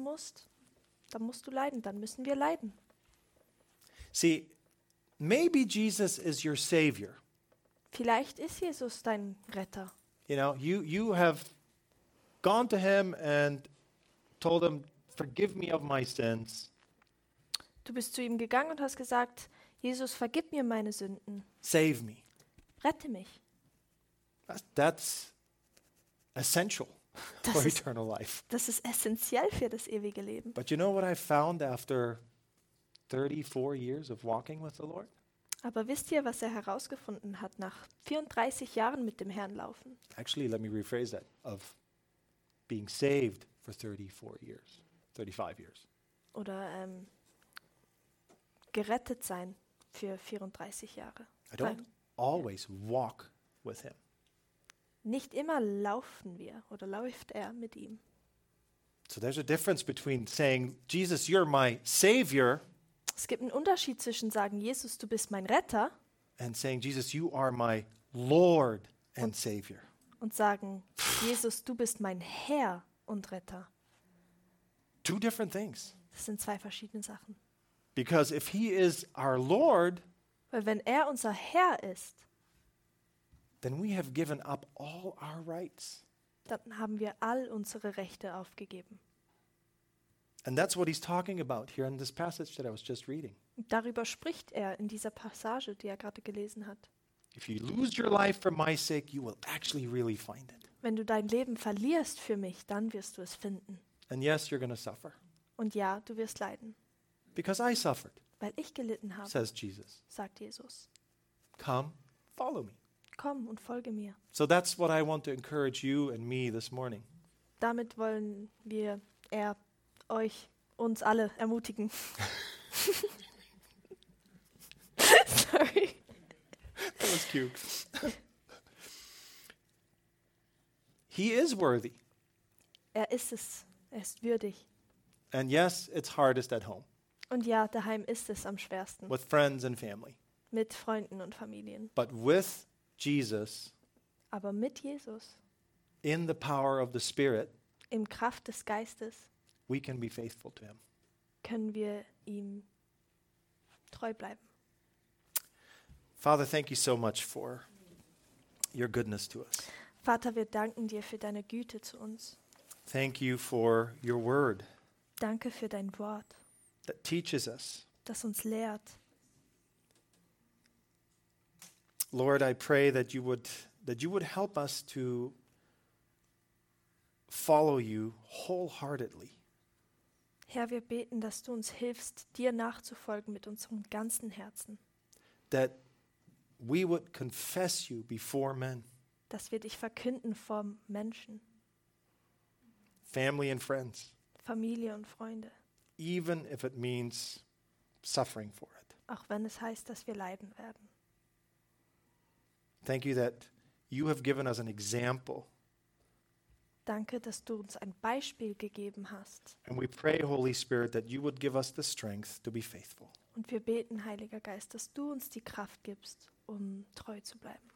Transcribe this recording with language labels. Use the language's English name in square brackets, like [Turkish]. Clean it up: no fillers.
[German] musst, dann musst du leiden, dann müssen wir leiden. [English] See, maybe Jesus is your savior. [German] Vielleicht ist Jesus dein Retter. [English] You know, you have gone to him and told him, forgive me of my sins. [German] Du bist zu ihm gegangen und hast gesagt, Jesus, vergib mir meine Sünden. [English] Save me. [German] Rette mich. [English] That's essential for eternal life. [German] Das ist essentiell für das ewige Leben. [English] But you know what I found after 34 years of walking with the Lord? [German] Aber wisst ihr, was er herausgefunden hat nach 34 Jahren mit dem Herrn laufen? [English] Actually, let me rephrase that. Of being saved for 35 years. [German] Oder gerettet sein für 34 Jahre. [English] I don't always walk with him. [German] Nicht immer laufen wir oder läuft er mit ihm. [English] So there's a difference between saying, Jesus, you're my savior. [German] Es gibt einen Unterschied zwischen sagen, Jesus, du bist mein Retter. [English] And saying, Jesus, you are my Lord and Savior. [German] Und sagen, Jesus, du bist mein Herr und Retter. [English] Two different things. [German] Das sind zwei verschiedene Sachen. [English] Because if he is our Lord, [German] weil wenn er unser Herr ist, [English] then we have given up all our rights. [German] Dann haben wir all unsere Rechte aufgegeben. [English] And that's what he's talking about here in this passage that I was just reading. [German] Darüber spricht er in dieser Passage, die er gerade gelesen hat. [English] If you lose your life for my sake, you will actually really find it. [German] Wenn du dein Leben verlierst für mich, dann wirst du es finden. [English] And yes, you're going to suffer. [German] Und ja, du wirst leiden. [English] Because I suffered. [German] Weil ich gelitten habe. [English] Says Jesus. [German] Sagt Jesus. [English] Come, follow me. [German] Komm und folge mir. [English] So that's what I want to encourage you and me this morning. [German] Damit wollen wir euch uns alle ermutigen. [English] Sorry. That was cute. He is worthy. [German] Er ist es. Er ist würdig. [English] And yes, it's hardest at home. [German] Und ja, daheim ist es am schwersten. [English] With friends and family. [German] Mit Freunden und Familien. [English] But with Jesus. [German] Aber mit Jesus. [English] In the power of the Spirit. [German] Im Kraft des Geistes. [English] We can be faithful to him. [German] Können wir ihm treu bleiben. [English] Father, thank you so much for your goodness to us. [German] Vater, wir danken dir für deine Güte zu uns. [English] Thank you for your word. [German] Danke für dein Wort. [English] That teaches us. [German] Das uns lehrt. [English] Lord, I pray that you would help us to follow you wholeheartedly. [German] Herr, wir beten, dass du uns hilfst, dir nachzufolgen mit unserem ganzen Herzen. [English] That we would confess you before men. [German] Dass wir dich verkünden vor Menschen. [English] Family and friends. [German] Familie und Freunde. [English] Even if it means suffering for it. [German] Auch wenn es heißt, dass wir leiden werden. [English] Thank you that you have given us an example. [German] Danke, dass du uns ein Beispiel gegeben hast. [English] And we pray, Holy Spirit, that you would give us the strength to be faithful. [German] Und wir beten, Heiliger Geist, dass du uns die Kraft gibst, um treu zu bleiben.